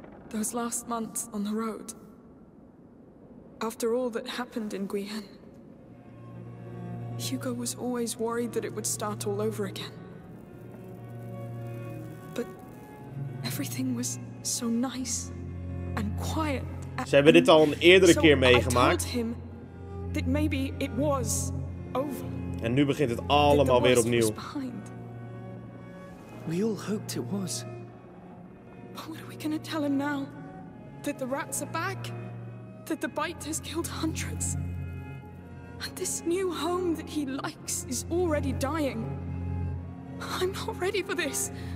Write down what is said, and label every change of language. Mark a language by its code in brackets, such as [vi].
[en] Those last months on the road. After all that happened in Guihen. Hugo was always worried that it would start all over again. Everything was so nice and quiet. [nl] Ze hebben dit al een eerdere keer meegemaakt. [en] I told him that maybe it was over. [nl] En nu begint het allemaal weer opnieuw. [en] We all hoped it was. But what are we gonna tell him now? That the rats are back? That the bite has killed hundreds? And this new home that he likes is already dying. I'm not ready for this.